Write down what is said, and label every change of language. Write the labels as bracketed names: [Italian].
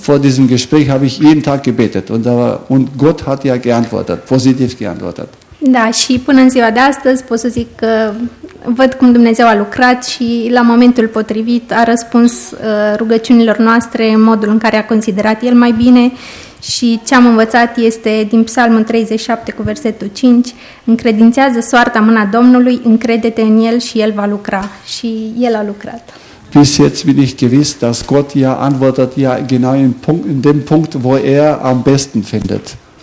[German] Vor diesem Gespräch habe ich jeden Tag gebetet und Gott hat ja geantwortet, positiv geantwortet. [Romanian] Da, și până în ziua de astăzi pot să zic că văd cum Dumnezeu a lucrat și la momentul potrivit a răspuns rugăciunilor noastre în modul în care a considerat el mai bine și ce am învățat este din Psalmul 37 cu versetul 5, încredințează soarta mâna Domnului, încrede-te în el și el va lucra. Și el a lucrat. [German] Bis jetzt bin ich gewiss, dass Gott ja antwortet ja genau in dem Punkt, wo er am besten findet.